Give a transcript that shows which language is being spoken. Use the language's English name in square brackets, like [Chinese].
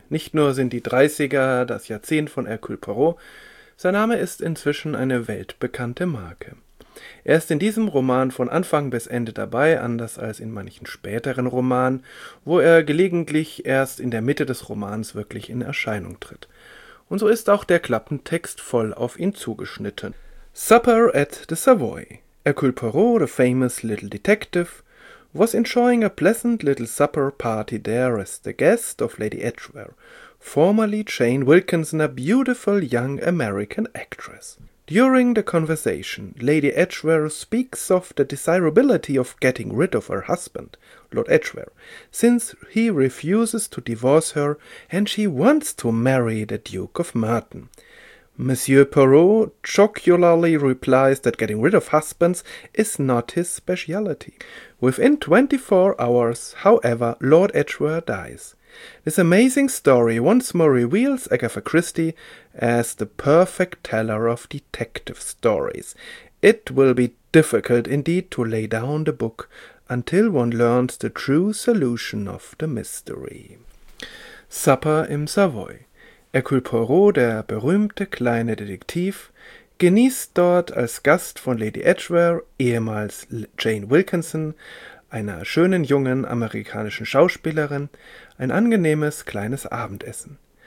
[German] Nicht nur sind die 30er das Jahrzehnt von Hercule Poirot, sein Name ist inzwischen eine weltbekannte Marke. Er ist in diesem Roman von Anfang bis Ende dabei, anders als in manchen späteren Romanen, wo er gelegentlich erst in der Mitte des Romans wirklich in Erscheinung tritt. Und so ist auch der Klappentext voll auf ihn zugeschnitten. [English] Supper at the Savoy. Hercule Poirot, the famous little detective, was enjoying a pleasant little supper party there as the guest of Lady Edgware, formerly Jane Wilkinson, a beautiful young American actress. During the conversation, Lady Edgware speaks of the desirability of getting rid of her husband, Lord Edgware, since he refuses to divorce her and she wants to marry the Duke of Merton. Monsieur Poirot jocularly replies that getting rid of husbands is not his speciality. Within 24 hours, however, Lord Edgware dies. This amazing story once more reveals Agatha Christie as the perfect teller of detective stories. It will be difficult indeed to lay down the book until one learns the true solution of the mystery. [German] Supper im Savoy. Hercule Poirot, der berühmte kleine Detektiv, genießt dort als Gast von Lady Edgware, ehemals Jane Wilkinson, einer schönen jungen amerikanischen Schauspielerin, ein angenehmes kleines Abendessen.